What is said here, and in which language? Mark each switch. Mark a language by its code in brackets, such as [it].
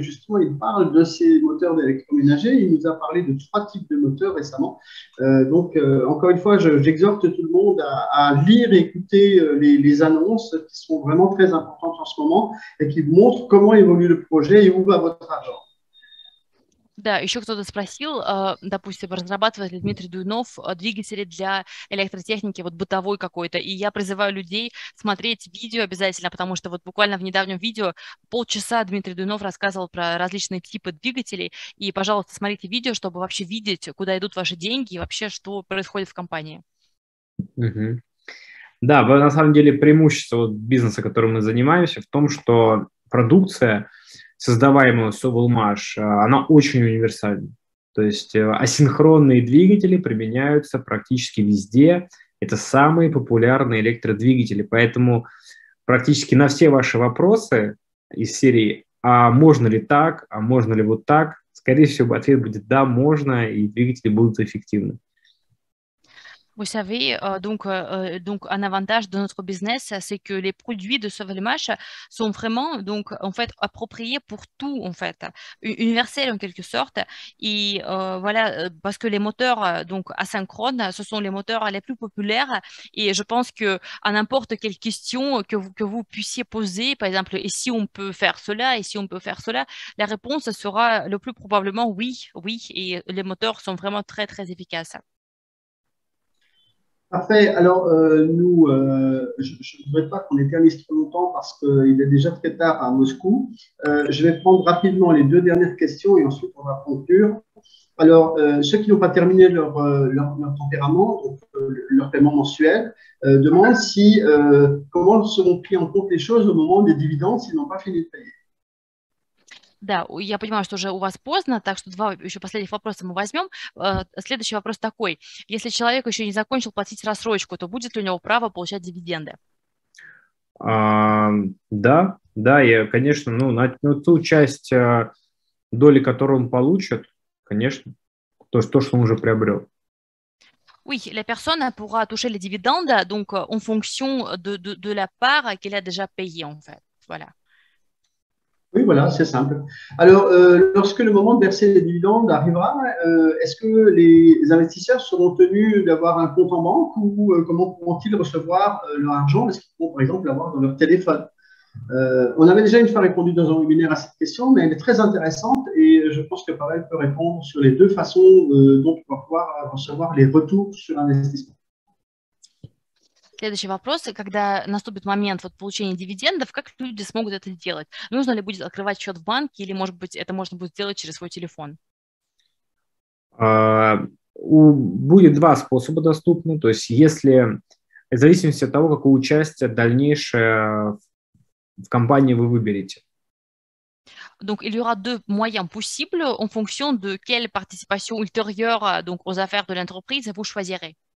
[fr] Et justement, il parle de ces moteurs d'électroménager. Il nous a parlé de trois types de moteurs récemment. Encore une fois, j'exhorte tout le monde à lire et écouter les annonces qui sont vraiment très importantes en ce moment et qui montrent comment évolue le projet et où va votre argent. [ru] Да, еще кто-то спросил, допустим, разрабатывает ли Дмитрий Дуйнов двигатели для электротехники, вот бытовой какой-то, и я призываю людей смотреть видео обязательно, потому что вот буквально в недавнем видео полчаса Дмитрий Дуйнов рассказывал про различные типы двигателей, и, пожалуйста, смотрите видео, чтобы вообще видеть, куда идут ваши деньги и вообще, что происходит в компании. Да, на самом деле преимущество бизнеса, которым мы занимаемся, в том, что продукция, создаваемую Sauvelmash, она очень универсальна. То есть асинхронные двигатели применяются практически везде. Это самые популярные электродвигатели. Поэтому практически на все ваши вопросы из серии «А можно ли так? А можно ли вот так?» скорее всего, ответ будет «Да, можно», и двигатели будут эффективны. [fr] Vous savez, donc un avantage de notre business, c'est que les produits de Sauvelmash sont vraiment donc en fait appropriés pour tout en fait, universel en quelque sorte. Et voilà, parce que les moteurs donc asynchrones, ce sont les moteurs les plus populaires. Et je pense que à n'importe quelle question que vous puissiez poser, par exemple, et si on peut faire cela, et si on peut faire cela, la réponse sera le plus probablement oui, oui. Et les moteurs sont vraiment très très efficaces. Parfait. Alors, je ne voudrais pas qu'on éternise trop longtemps parce qu'il est déjà très tard à Moscou. Je vais prendre rapidement les deux dernières questions et ensuite on va conclure. Alors, ceux qui n'ont pas terminé leur tempérament, leur paiement mensuel, demandent si comment seront pris en compte les choses au moment des dividendes s'ils n'ont pas fini de payer. [ru] Да, я понимаю, что уже у вас поздно, так что два еще последних вопроса мы возьмем. Следующий вопрос такой. Если человек еще не закончил платить рассрочку, то будет ли у него право получать дивиденды? Да, я, конечно, на ту часть доли, которую он получит, конечно, то, что он уже приобрел. [fr] Oui, la personne pourra toucher les дивиденды, donc en fonction de la part qu'elle a déjà payée, en fait, voilà. Oui, voilà, c'est simple. Alors, lorsque le moment de verser les dividendes arrivera, est-ce que les investisseurs seront tenus d'avoir un compte en banque ou comment pourront-ils recevoir leur argent? Est-ce qu'ils pourront, par exemple, l'avoir dans leur téléphone? On avait déjà une fois répondu dans un webinaire à cette question, mais elle est très intéressante et je pense que Pavel peut répondre sur les deux façons dont on va pouvoir recevoir les retours sur l'investissement. [ru] Следующий вопрос. Когда наступит момент вот, получения дивидендов, как люди смогут это делать? Нужно ли будет открывать счет в банке или, может быть, это можно будет сделать через свой телефон? Будет два способа доступны, то есть если в зависимости от того, какое участие дальнейшее в компании вы выберете. [fr] Donc, il y aura deux moyens possibles en fonction de quelle participation ultérieure donc aux affaires de l'entreprise vous choisirez.